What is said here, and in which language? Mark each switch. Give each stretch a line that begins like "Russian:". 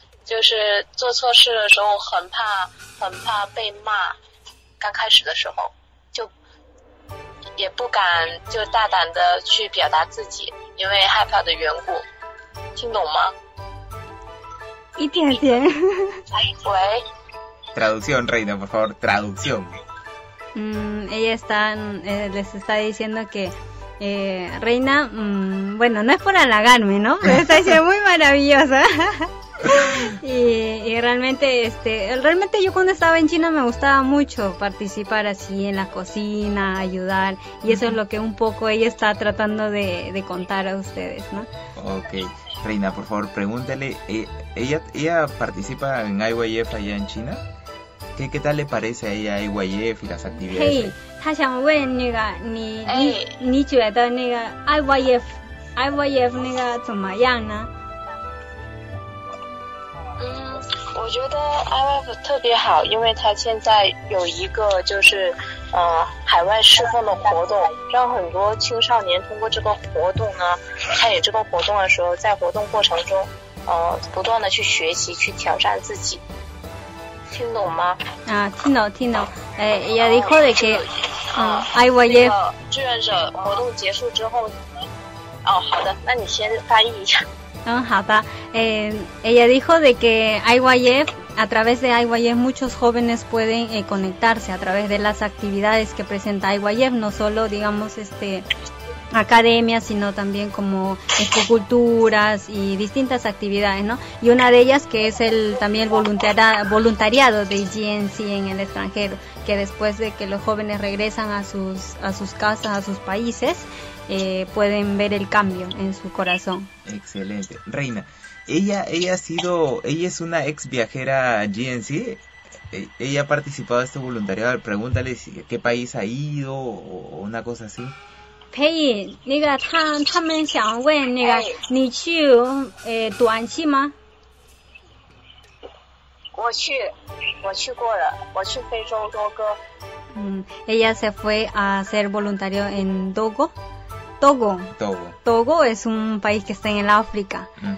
Chinese: 就是做错事的时候很怕被骂，刚开始的时候就也不敢就大胆的去表达自己，因为害怕的缘故。听懂吗？一点点。喂。
Spanish: Traducción, Reina, por favor, traducción. Ella está, les está diciendo que Reina, bueno, no es por halagarme, ¿no? Pero está diciendo muy maravillosa. y realmente, realmente yo cuando estaba en China me gustaba mucho participar así en la cocina, ayudar. Y eso es lo que un poco ella está tratando de contar a ustedes, ¿no? Ok, Reina, por favor, pregúntale, ¿ella participa en IYF allá en China? ¿Qué tal le parece a ella IYF y las actividades?
Chinese: Hey, 他想问那个你 hey. 你觉得那个 IYF 那个怎么样呢？我觉得 IYF 特别好，因为他现在有一个就是海外释放的活动，让很多青少年通过这个活动呢，参与这个活动的时候，在活动过程中，不断的去学习，去挑战自己。听懂吗？啊，听懂听懂。哎，
Spanish: ella dijo de que,
Chinese: IYF 志愿者活动结束之后，哦，好的，那你先翻译一下。嗯，好的。
Spanish: ella dijo de que IYF, a través de IYF muchos jóvenes pueden conectarse a través de las actividades que presenta IYF, no solo digamos academias, sino también como esculturas y distintas actividades, ¿no? Y una de ellas que es también el voluntariado de GNC en el extranjero, que después de que los jóvenes regresan a sus casas, a sus países, pueden ver el cambio en su corazón. Excelente. Reina, ella es una ex viajera GNC. Ella ha participado en este voluntariado. Pregúntale si, qué país ha ido o una cosa así.
Chinese: 可以，那个他们想问那个你去短期吗？我去过了，我去非洲多哥。
Spanish: Ella se fue a hacer voluntario en Togo. Togo. Togo. Togo es un país que está en el África.